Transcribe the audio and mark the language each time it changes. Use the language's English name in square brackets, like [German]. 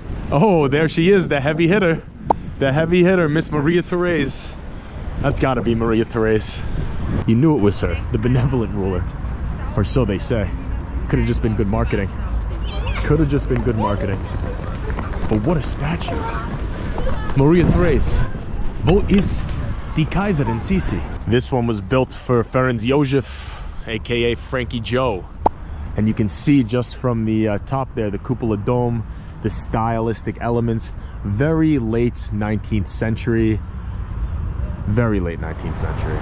[English] Oh, there she is, the heavy hitter. The heavy hitter, Miss Maria Therese. That's gotta be Maria Therese. You knew it was her, the benevolent ruler. Or so they say. Could've just been good marketing. Could've just been good marketing. But what a statue. [German] Maria Therese, wo ist die Kaiserin Sisi? [English] This one was built for Ferenc Josef, AKA Frankie Joe. And you can see just from the top there, the cupola dome, the stylistic elements, very late 19th century. Very late 19th century.